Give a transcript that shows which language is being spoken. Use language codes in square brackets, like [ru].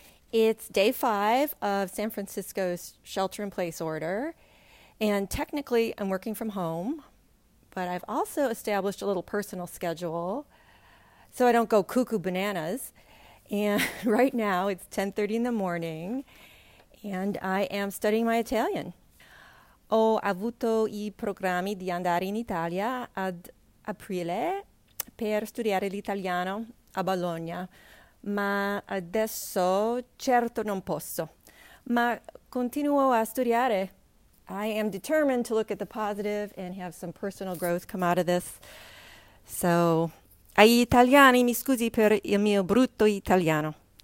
[en] It's day 5 of San Francisco's shelter-in-place order. And technically, I'm working from home, but I've also established a little personal schedule so I don't go cuckoo bananas. And right now, it's 10:30 in the morning, and I am studying my Italian. [it] Ho avuto I programmi di andare in Italia ad aprile per studiare l'italiano a Bologna, ma adesso certo non posso, ma continuo a studiare. [en] I am determined to look at the positive and have some personal growth come out of this. [it] So, ai italiani mi scusi per il mio brutto italiano.